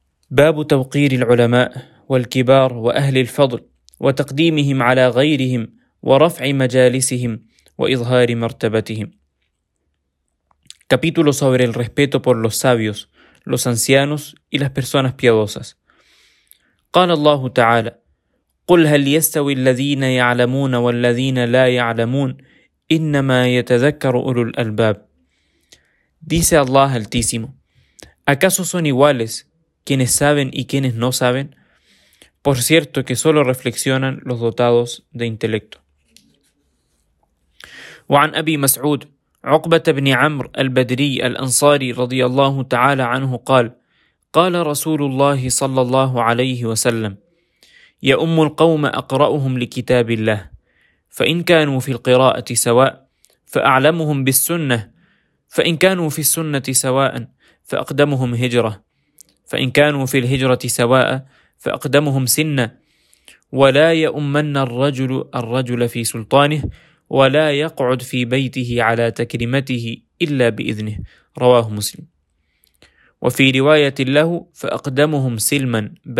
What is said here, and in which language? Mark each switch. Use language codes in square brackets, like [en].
[ar] باب توقير العلماء والكبار وأهل الفضل وتقديمهم على غيرهم ورفع مجالسهم وإظهار مرتبتهم [es] capítulo sobre el respeto por los sabios los ancianos y las personas piadosas. [ar] قال الله تعالى قل هل يستوي الذين يعلمون والذين لا يعلمون إنما يتذكر أولو الألباب. [es] Dice Allah Altísimo, ¿acaso son iguales quienes saben y quienes no saben? Por cierto que solo reflexionan los dotados de intelecto. [ar] وعن أبي مسعود عقبة بن عمرو البدري الأنصاري رضي الله تعالى عنه قال قال رسول الله صلى الله عليه وسلم يؤم القوم أقرأهم لكتاب الله فإن كانوا في القراءة سواء فأعلمهم بالسنة فإن كانوا في السنة سواء فأقدمهم هجرة فإن كانوا في الهجرة سواء فأقدمهم سنة ولا يؤمن الرجل الرجل في سلطانه ولا يقعد في بيته على تكريمته إلا بإذنه رواه مسلم وفي رواية له فأقدمهم سلما